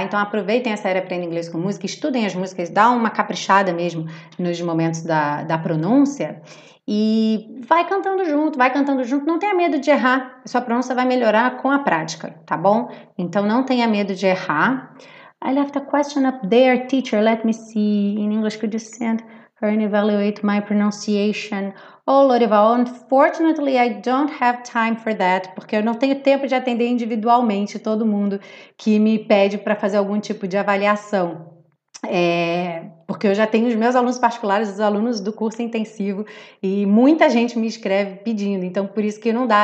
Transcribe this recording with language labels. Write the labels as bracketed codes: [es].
[pt] Então aproveitem a série Aprenda Inglês com Música, estudem as músicas, dá uma caprichada mesmo nos momentos da pronúncia e vai cantando junto, não tenha medo de errar, sua pronúncia vai melhorar com a prática, tá bom? Então não tenha medo de errar. [en] I left a question up there, teacher, let me see. In English, could you send her and evaluate my pronunciation? Oh, Lorival, unfortunately, I don't have time for that, [pt] porque eu não tenho tempo de atender individualmente todo mundo que me pede para fazer algum tipo de avaliação. Porque eu já tenho os meus alunos particulares, os alunos do curso intensivo, e muita gente me escreve pedindo, então por isso que não dá.